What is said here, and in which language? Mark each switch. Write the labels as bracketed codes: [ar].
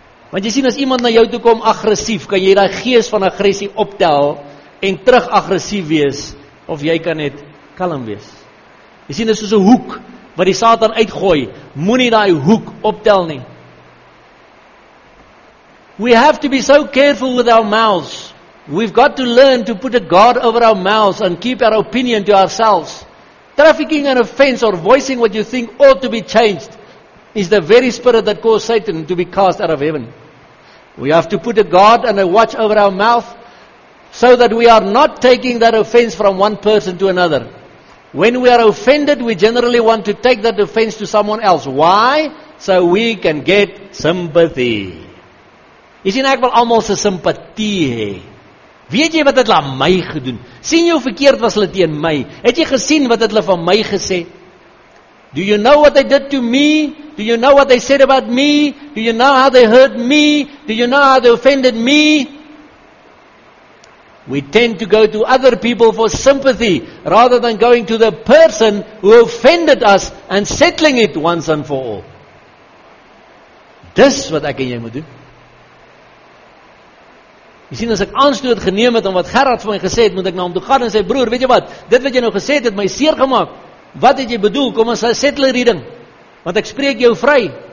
[af] Want jy sien, as iemand na jou toe kom agressief, kan jy die gees van agressie optel, en terug agressief wees, of jy kan net kalm wees. Jy sien, dit is soos 'n hoek, wat die Satan uitgooi, moenie die hoek optel nie. [en] We have to be so careful with our mouths. We've got to learn to put a guard over our mouths and keep our opinion to ourselves. Trafficking an offense or voicing what you think ought to be changed is the very spirit that caused Satan to be cast out of heaven. We have to put a guard and a watch over our mouth so that we are not taking that offense from one person to another. When we are offended, we generally want to take that offense to someone else. Why? So we can get sympathy. [af] Jy sien, ek wil almal se simpatie hê. Weet jy wat het hulle aan my gedoen? Sien jy hoe verkeerd was hulle teen my? Het jy gesien wat het hulle van my gesê? [en] Do you know what they did to me? Do you know what they said about me? Do you know how they hurt me? Do you know how they offended me? We tend to go to other people for sympathy rather than going to the person who offended us and settling it once and for all. [af] Dis wat ek en jy moet doen. Jy sien, as ek aanstoot geneem het om wat Gerard vir my gesê het, moet ek na hom toe gaan en sê, broer, weet jy wat, dit wat jy nou gesê het my seer gemaak. Wat het jy bedoel? Kom ons settle hierdie ding. Want ek spreek jou vry.